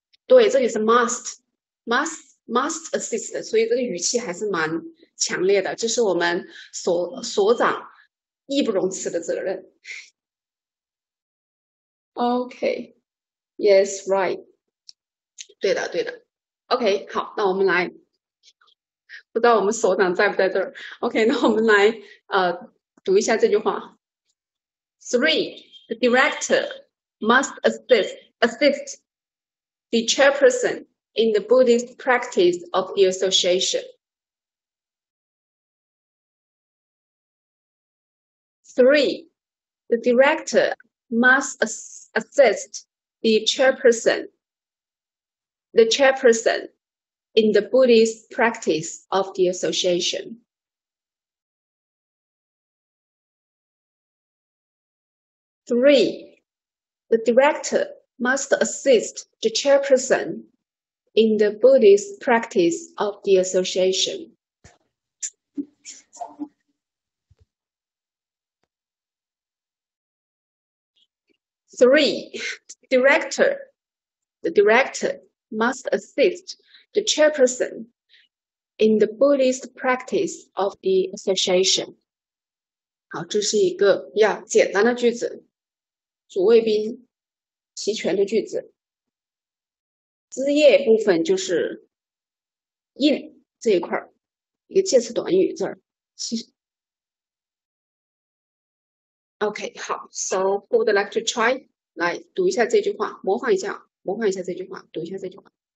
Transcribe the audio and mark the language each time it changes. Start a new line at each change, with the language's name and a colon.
Chinese: 对，这里是 must assist， 所以这个语气还是蛮强烈的，这是我们所长义不容辞的责任。
English: OK， Yes， right，
Chinese: 对的，对的。 OK， 好，那我们来，不知道我们所长在不在这儿。 OK， 那我们来读一下这句话。
English: Three， the director must assist the chairperson in the Buddhist practice of the association。 Three, the director must assist the chairperson in the Buddhist practice of the association. 3. The director must assist the chairperson in the Buddhist practice of the association. Three, the director must assist the chairperson in the Buddhist practice of the association.
Chinese: 好，这是一个呀简单的句子，主谓宾齐全的句子。枝叶部分就是 in 这一块，一个介词短语这儿。
English: OK，
Chinese: 好
English: ，So who would like to try?
Chinese: 来读一下这句话，模仿一下这句话，读一下这句话。